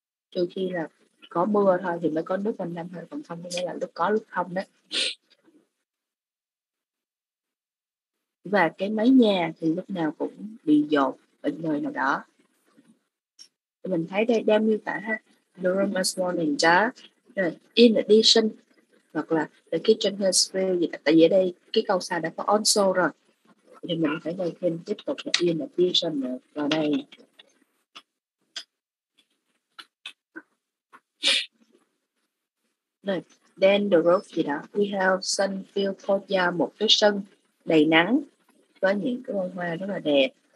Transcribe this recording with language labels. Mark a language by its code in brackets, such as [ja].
[vi] Trừ khi là có mưa thôi thì mới có nước quanh năm thôi, còn không nghĩa là lúc có lúc không đó. Và cái mái nhà thì lúc nào cũng bị dột ở nơi nào đó. Mình thấy đây đem miêu tả ha. [en] The room is small and dark. In addition, [vi] hoặc là [en] the kitchen has failed. [vi] Tại vì ở đây cái câu sau đã có also rồi. Thì mình phải đây thêm tiếp tục là [en] in addition [vi] vào đây. Rồi, [en] then the roof [vi] gì đó. [en] We have sun filled courtyard, [vi] một cái sân đầy nắng với những cái bông hoa rất là đẹp.